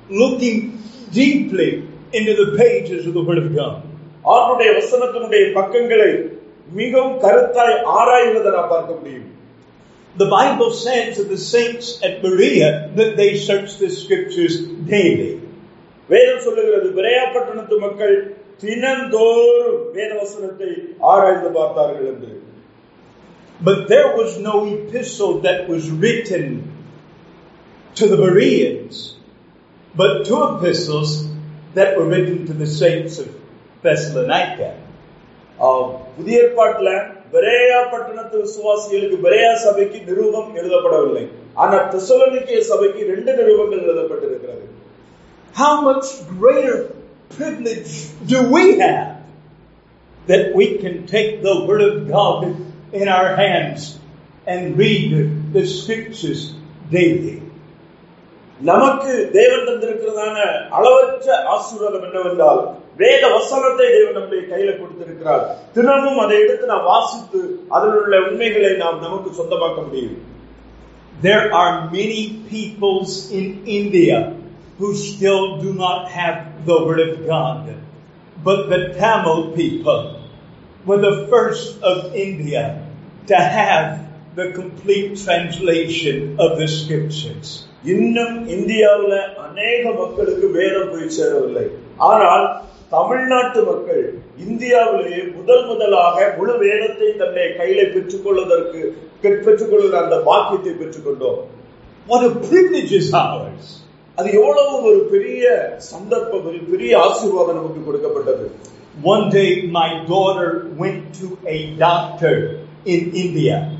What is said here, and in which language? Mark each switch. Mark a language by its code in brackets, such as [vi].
[en] Looking deeply into the pages of the Word of God. [ta] அவருடைய வசனத்தினுடைய பக்கங்களை மிகவும் கருத்தாய் ஆராய்வதை நாம் பார்க்க முடியும். [en] The Bible says that the saints at Berea that they search the scriptures daily. [ta] வேதம் சொல்லுகிறது பெரியா பட்டணத்து மக்கள் தினந்தோறும் வேத வசனத்தை ஆராய்ந்து பார்த்தார்கள் என்று. [en] But there was no epistle that was written to the Bereans, but two epistles that were written to the saints of Thessalonica. [ta] புதிய ஏற்பாட்டில் பெரியா பட்டணத்து விசுவாசிகளுக்கு பெரியா சபைக்கு நிருபம் எழுதப்படவில்லை, ஆனால் தெசலோனிக்கேய சபைக்கு ரெண்டு நிருபங்கள் எழுதப்பட்டிருக்கிறது. [en] How much greater privilege do we have that we can take the Word of God in our hands and read the scriptures daily? [ta] நமக்கு தேவன் தந்திருக்கிறதான அளவற்ற ஆசீர்வாதம் என்னவென்றால், வேத வசனத்தை தேவன் நம்முடைய கையில கொடுத்திருக்கிறார். தினமும் அதை எடுத்து நாம் வாசித்து அதில் உள்ள உண்மைகளை நாம் நமக்கு சொந்தமாக்க முடியும். [en] There are many peoples in India who still do not have the Word of God. But the Tamil people were the first of India to have the complete translation of the scriptures. [ta] இன்னும் இந்தியாவில் அநேக மக்களுக்கு வேதம் போய் சேரவில்லை, ஆனால் தமிழ்நாட்டு மக்கள் இந்தியாவிலேயே முதல் முதலாக முழு வேதத்தை தன்னை கையில பெற்றுக் கொள்வதற்கு பெற்றுக்கொள்கிற அந்த பாக்கியத்தை பெற்றுக் கொண்டோம். [en] What a privilege is ours. [ta] அது எவ்வளவு ஒரு பெரிய சந்தர்ப்பம், ஒரு பெரிய ஆசீர்வாதம் நமக்கு கொடுக்கப்பட்டது. [en] One day my daughter went to a doctor in India.